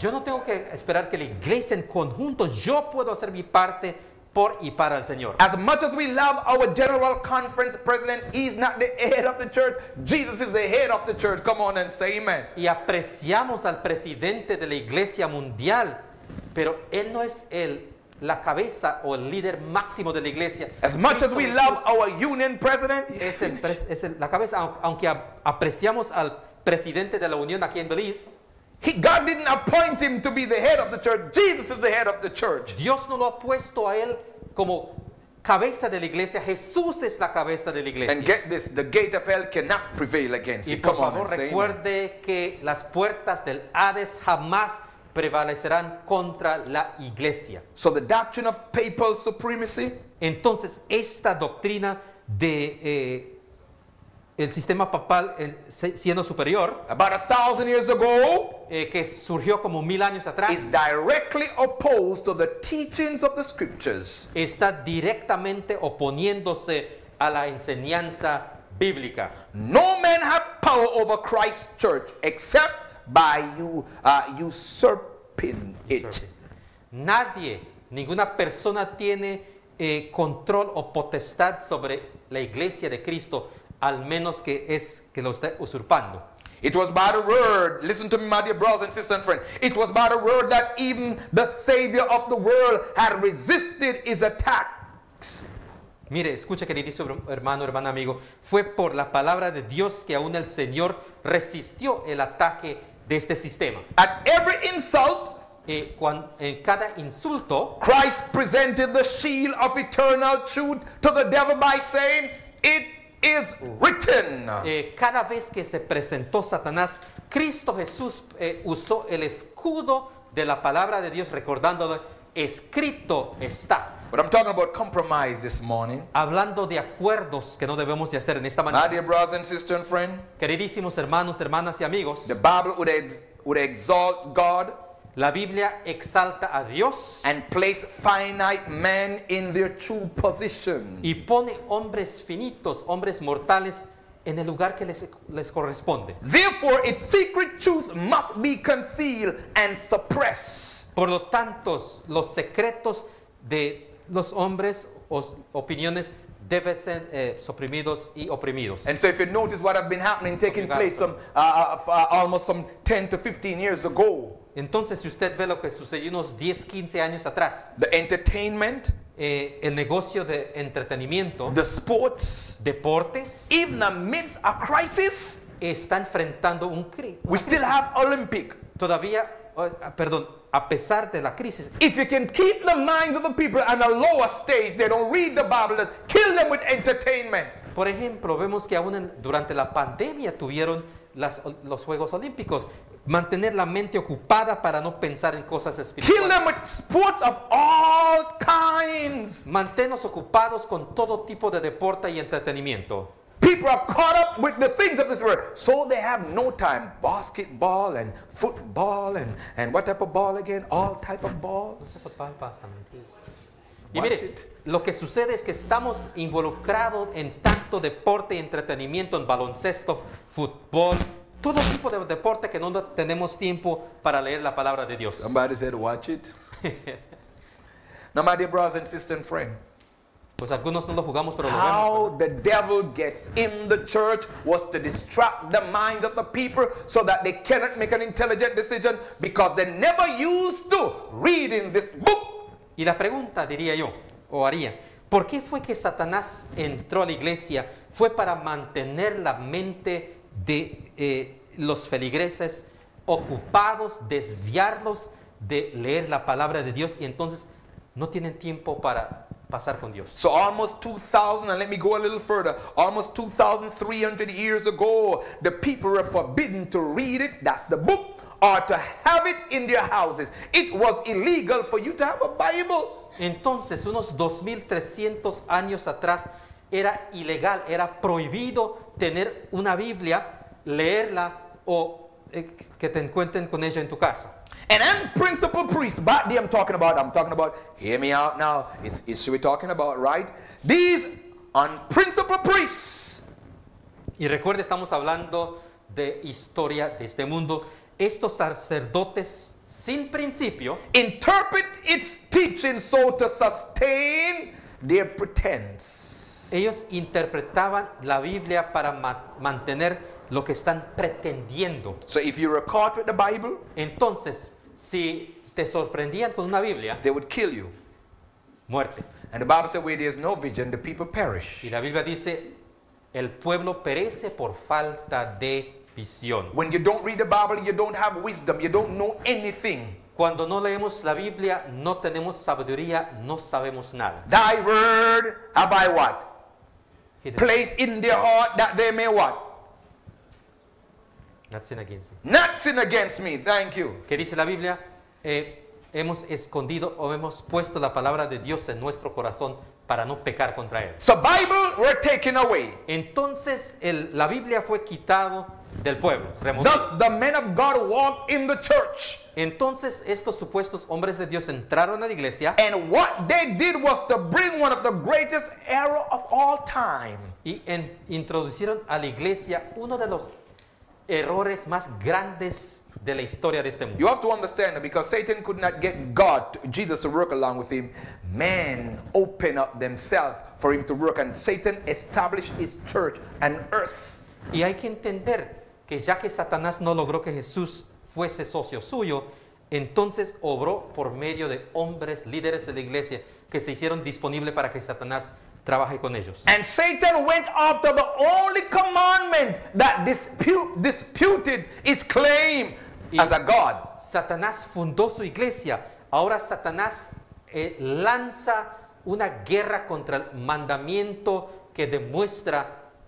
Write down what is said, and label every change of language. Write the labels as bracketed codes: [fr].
[es] Yo no tengo que esperar que la iglesia en conjunto, yo puedo hacer mi parte por y para el Señor. [en] As much as we love our general conference president, he's not the head of the church. Jesus is the head of the church. Come on and say amen. [es] Y apreciamos al presidente de la iglesia mundial, pero él no es el la cabeza o el líder máximo de la iglesia. [en] As much as we love our union president, [es] es la cabeza, aunque apreciamos al presidente de la unión aquí en Belize. [en] God didn't appoint him to be the head of the church. Jesus is the head of the church. [es] Dios no lo ha puesto a él como cabeza de la iglesia. Jesús es la cabeza de la iglesia. [en] And get this, the gate of hell cannot prevail against him. [es] Y por favor, recuerde que las puertas del Hades jamás prevalecerán contra la iglesia. [en] So the doctrine of papal supremacy. [es] Entonces, esta doctrina de el sistema papal siendo superior, [en] about 1,000 years ago, [es] que surgió como 1,000 años atrás, [en] is directly opposed to the teachings of the scriptures. [es] Está directamente oponiéndose a la enseñanza bíblica. [en] No man have power over Christ's church except by you usurping it. [es] Nadie, ninguna persona tiene control o potestad sobre la iglesia de Cristo al menos que es que lo esté usurpando. [en] It was by the word, listen to me, my dear brothers and sisters and friends, it was by the word that even the Savior of the world had resisted his attacks. [es] Mire, escucha, querido hermano, hermana, amigo, fue por la palabra de Dios que aún el Señor resistió el ataque de este sistema. [en] At every insult, [es] en cada insulto, [en] Christ presented the shield of eternal truth to the devil by saying, it is written. [es] Cada vez que se presentó Satanás, Cristo Jesús usó el escudo de la palabra de Dios recordándole, escrito está. [en] But I'm talking about compromise this morning. [es] Hablando de acuerdos que no debemos de hacer en esta mañana. [en] My dear brothers and sisters and friends, [es] queridísimos hermanos, hermanas y amigos, [en] the Bible would exalt God. [es] La Biblia exalta a Dios [en] and place finite men in their true position. [es] Y pone hombres finitos, hombres mortales, en el lugar que les corresponde. [en] Therefore, its secret truth must be concealed and suppressed. [es] Por lo tanto, los secretos de los hombres o opiniones deben ser suprimidos y oprimidos. [en] And so if you notice what have been happening, taking place some, almost some 10 to 15 years ago. [es] Entonces, si usted ve lo que sucedió unos 10, 15 años atrás. [en] The entertainment. [es] El negocio de entretenimiento. [en] The sports. [es] Deportes. [en] Even amidst a crisis. [es] Está enfrentando un crisis. [en] We still have Olympic. [es] Todavía, perdón, a pesar de la crisis. [en] If you can keep the minds of the people on a lower stage, they don't read the Bible, kill them with entertainment. [es] Por ejemplo, vemos que aún durante la pandemia tuvieron los Juegos Olímpicos. Mantener la mente ocupada para no pensar en cosas espirituales. [en] Kill them with sports of all kinds. [es] Manténlos ocupados con todo tipo de deporte y entretenimiento. [en] People are caught up with the things of this world, so they have no time. Basketball and football and what type of ball again? All type of balls. [es] Y mire, lo que sucede es que estamos involucrados en tanto deporte y entretenimiento, en baloncesto, fútbol, todo tipo de deporte que no tenemos tiempo para leer la palabra de Dios. [en] Somebody said, watch it. Now, my dear brothers and sisters and friends. [es] Pues algunos no lo jugamos, pero [en] how [es] lo vemos. [en] How the devil gets in the church was to distract the minds of the people so that they cannot make an intelligent decision because they never used to read in this book. [es] Y la pregunta, diría yo, o haría, ¿por qué fue que Satanás entró a la iglesia? Fue para mantener la mente de los feligreses ocupados, desviarlos de leer la palabra de Dios y entonces no tienen tiempo para pasar con Dios. [en] So almost 2,000, and let me go a little further, almost 2,300 years ago, the people were forbidden to read it, that's the book, or to have it in their houses. It was illegal for you to have a Bible. [es] Entonces, unos 2,300 años atrás, era ilegal, era prohibido tener una Biblia, leerla o que te encuentren con ella en tu casa. [en] An unprincipled priest, but I'm talking about, hear me out now, it's what we're talking about, right? These unprincipled priests. [es] Y recuerde, estamos hablando de historia de este mundo. Estos sacerdotes sin principio, [en] interpret its teaching so to sustain their pretense. [es] Ellos interpretaban la Biblia para mantener lo que están pretendiendo. [en] So if you were caught with the Bible, [es] entonces si te sorprendían con una Biblia, [en] they would kill you. [es] Muerte. [en] And the Bible said, where there is no vision, the people perish. [es] Y la Biblia dice, el pueblo perece por falta de visión. [en] When you don't read the Bible, you don't have wisdom, you don't know anything. [es] Cuando no leemos la Biblia, no tenemos sabiduría, no sabemos nada. [en] Thy word have I what? Hidden. Place in their heart that they may what? Not sin against me. Not sin against me, thank you. [es] ¿Qué dice la Biblia? Hemos escondido o hemos puesto la palabra de Dios en nuestro corazón para no pecar contra él. [en] So Bible were taken away. [es] Entonces la Biblia fue quitado del pueblo. [en] Thus the men of God walked in the church. [es] Entonces estos supuestos hombres de Dios entraron a la iglesia. [en] And what they did was to bring one of the greatest error of all time. [es] Y introducieron a la iglesia uno de los errores más grandes de la historia de este mundo. [en] You have to understand that because Satan could not get God, Jesus, to work along with him, man opened up themselves for him to work, and Satan established his church on earth. [es] Y hay que entender que ya que Satanás no logró que Jesús fuese socio suyo, entonces obró por medio de hombres, líderes de la iglesia, que se hicieron disponibles para que Satanás trabaje con ellos. [en] And Satan went after the only commandment that disputed his claim as a God. [es] Satanás fundó su iglesia. Ahora Satanás lanza una guerra contra el mandamiento que demuestra